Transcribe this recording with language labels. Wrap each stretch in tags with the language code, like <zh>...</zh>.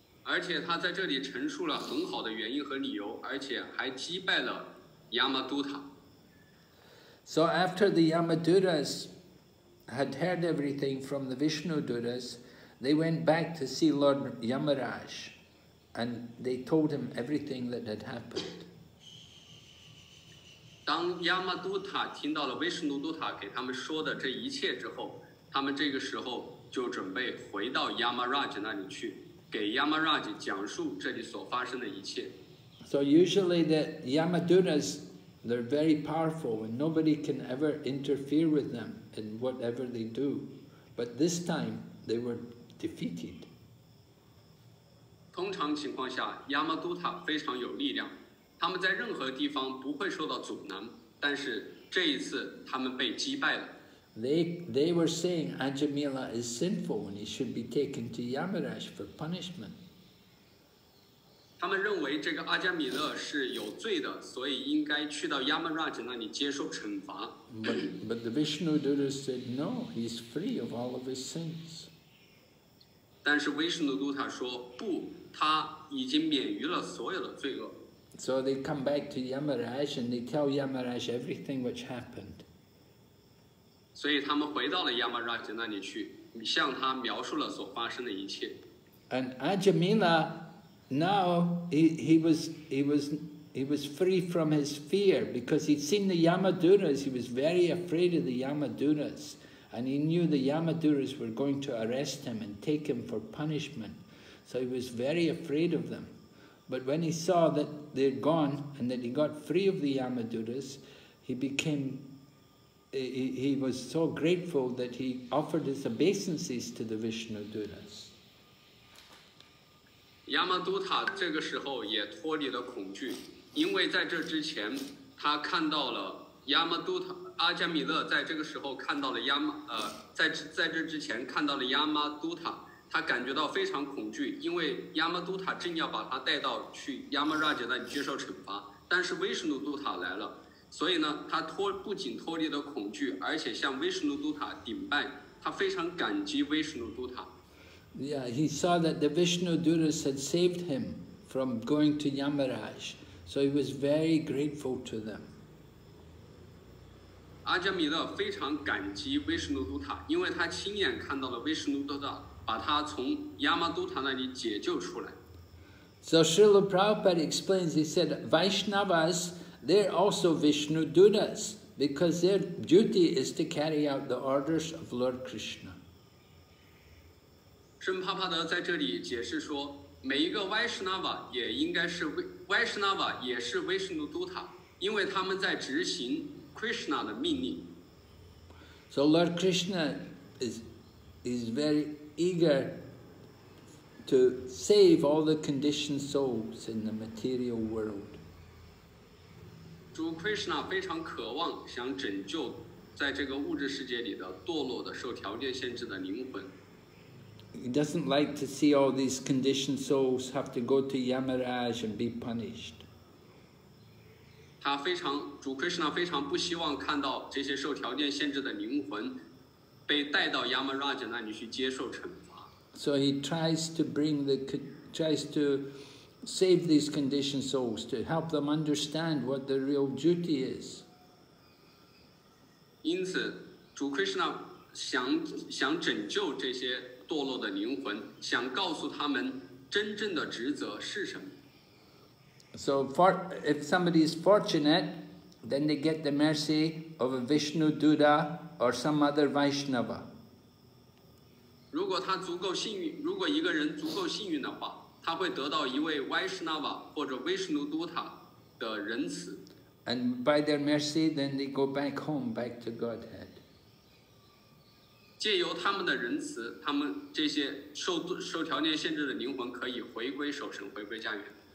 <zh>而且他在这里陈述了很好的原因和理由，而且还击败了 Yamaduta.</zh> <en>So after the Yamadutas had heard everything from the Vishnu Duras, they went back to see Lord Yamaraj. And they told him everything that had happened.</en> <zh>当亚玛都塔听到了维什努都塔给他们说的这一切之后，他们这个时候就准备回到亚玛拉吉那里去，给亚玛拉吉讲述这里所发生的一切。</zh> <en>So usually the Yamadutas, they're very powerful, and nobody can ever interfere with them in whatever they do. But this time, they were defeated.</en> <zh>通常情况下，亚玛都塔非常有力量，他们在任何地方不会受到阻拦。但是这一次，他们被击败了。</zh> <en>They were saying Ajamila is sinful and he should be taken to Yamaraj for punishment.</en> <zh>他们认为这个阿加米勒是有罪的，所以应该去到 Yamaraj 那里接受惩罚。</zh> <en>But the Vishnu Duta said no, he's free of all of his sins.</en> <zh>但是维什努都塔说不。他已经免于了所有的罪恶。</zh> <en>So they come back to Yamaraj and they tell Yamaraj everything which happened.</en> <zh>所以他们回到了 Yamaraj 那里去，向他描述了所发生的一切。</zh> <en>And Ajamila, now he was free from his fear because he'd seen the Yamaduras. He was very afraid of the Yamaduras, and he knew the Yamaduras were going to arrest him and take him for punishment. So he was very afraid of them. But when he saw that they're gone and that he got free of the Yamaduras, he was so grateful that he offered his obeisances to the Vishnu Duras.</en> <zh>Yamaduta 这个时候也脱离了恐惧，因为在这之前他看到了 Yamaduta, 阿加米勒在这个时候看到了 在这之前看到了 Yamaduta,他感觉到非常恐惧，因为亚玛都塔正要把他带到去亚玛拉杰那里接受惩罚，但是维什努都塔来了，所以呢，他不仅脱离了恐惧，而且向维什努都塔顶拜，他非常感激维什努都塔。</zh> <en>Yeah, he saw that the Vishnu Duras had saved him from going to Yamaraj, so he was very grateful to them.</en> <zh>阿加米勒非常感激维什努都塔，因为他亲眼看到了维什努都塔。把他从亚玛都塔那里解救出来。</zh> <en>So Srila Prabhupada explains, he said, Vaishnavas, they're also Vishnu Duras, because their duty is to carry out the orders of Lord Krishna.</en> <zh>圣帕帕德在这里解释说，每一个 Vaishnava 也应该是 Vaishnava 也是 Vishnu Duta, 因为他们在执行 Krishna 的命令。</zh> <en>So Lord Krishna is very... eager to save all the conditioned souls in the material world.</en> <zh>主 Krishna 非常渴望想拯救在这个物质世界里的堕落的受条件限制的灵魂。</zh> <en>He doesn't like to see all these conditioned souls have to go to Yamaraj and be punished.</en> <zh>主 Krishna 非常不希望看到这些受条件限制的灵魂被带到 Yamaraj 那里去接受惩罚。</zh> <en>So he tries to save these conditioned souls to help them understand what their real duty is.</en> <zh>因此，主 Krishna 想拯救这些堕落的灵魂，想告诉他们真正的职责是什么。</zh> <en>So if somebody is fortunate, then they get the mercy of a Vishnu Duda or some other Vaishnava.</en> <zh>如果他足够幸运，如果一个人足够幸运的话，他会得到一位 Vaishnava 或者 Vishnu Duda 的仁慈。</zh> <en>And by their mercy, then they go back home, back to Godhead.</en> <zh>借由他们的仁慈，他们这些受条件限制的灵魂可以回归守神，回归家园。</zh>